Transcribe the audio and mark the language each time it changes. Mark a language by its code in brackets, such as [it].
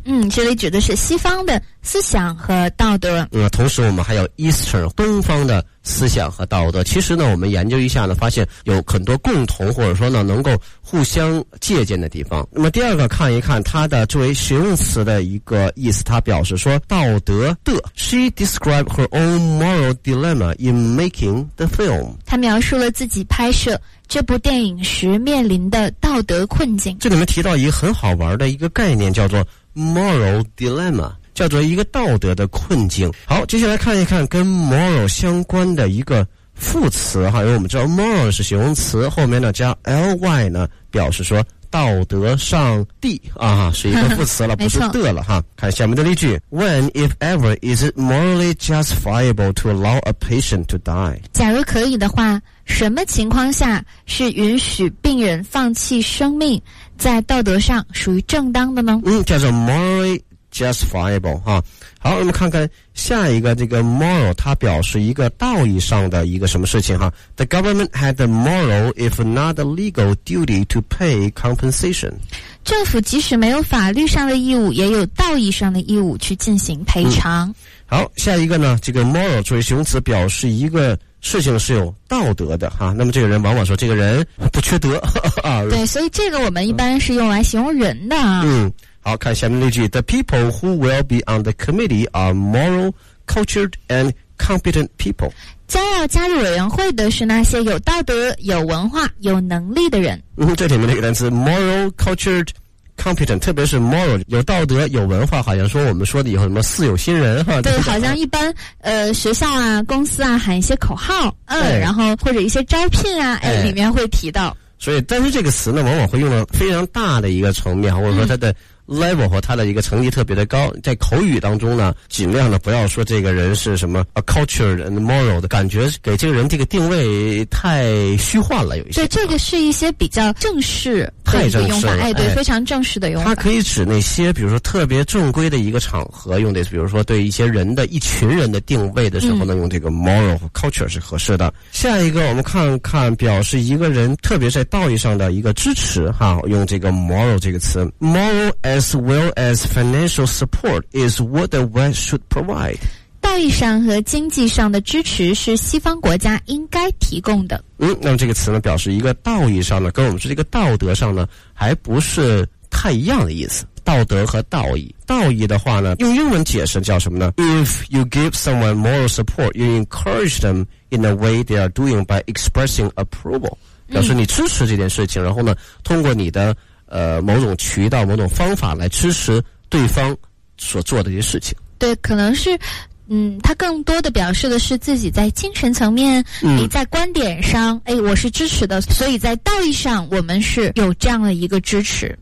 [zh] 嗯，这里指的是西方的思想和道德。嗯，同时我们还有 Eastern 东方的思想和道德。其实呢我们研究一下呢发现有很多共同或者说呢能够互相借鉴的地方。那么第二个看一看它的作为形容词的一个意思，它表示说道德的。 [en] She described her own moral dilemma in making the film。 [zh] 她描述了自己拍摄这部电影时面临的道德困境。这里面提到一个很好玩的一个概念叫做 moral dilemma，叫做一个道德的困境。好，接下来看一看跟 moral 相关的一个副词哈，因为我们知道 moral 是形容词，后面呢加 ly 呢表示说道德上帝啊，是一个副词了，不是的了哈。看下面的例句 [en] When if ever is it morally justifiable to allow a patient to die？ [zh] 假如可以的话，什么情况下是允许病人放弃生命，在道德上属于正当的呢？嗯，叫做 morally justifiable 哈。好，我们看看下一个这个 moral， 它表示一个道义上的一个什么事情哈。 [en] The government had the moral, if not the legal duty to pay compensation。 [zh] 政府即使没有法律上的义务，也有道义上的义务去进行赔偿。嗯、好，下一个呢，这个 moral 作为形容词表示一个事情是有道德的哈。那么这个人往往说这个人不缺德啊。对，所以这个我们一般是用来形容人的。嗯。好，看下面例句 [en] The people who will be on the committee are moral, cultured, and competent people。 [zh] 将要加入委员会的是那些有道德、有文化、有能力的人。嗯，这里面的一个单词 moral, cultured, competent， 特别是 moral 有道德、有文化，好像说我们说的以后什么四有新人哈。对，好像一般学校啊、公司啊喊一些口号，然后或者一些招聘啊，里面会提到。所以，但是这个词呢，往往会用到非常大的一个层面，或者说它的。 level 和他的一个成绩特别的高，在口语当中呢尽量的不要说这个人是什么 [en] a culture and moral [zh] 的感觉，给这个人这个定位太虚幻了有一些。对，这个是一些比较正式的一个用法。太正式了。哎，对，非常正式的用法。它可以指那些比如说特别正规的一个场合用的，比如说对一些人的一群人的定位的时候呢用这个 moral 和 culture 是合适的。下一个我们看看表示一个人特别在道义上的一个支持哈，用这个 moral 这个词。 [en] moral as well as financial support is what the West should provide。 [zh] 道义上和经济上的支持是西方国家应该提供的。嗯，那么这个词呢表示一个道义上的跟我们说这个道德上呢还不是太一样的意思。道德和道义，道义的话呢用英文解释叫什么呢？ [en] If you give someone moral support, you encourage them in the way they are doing by expressing approval。 [zh] 表示你支持这件事情，然后呢通过你的某种渠道某种方法来支持对方所做的一些事情。对，可能是他更多的表示的是自己在精神层面，你在观点上我是支持的，所以在道义上我们是有这样的一个支持。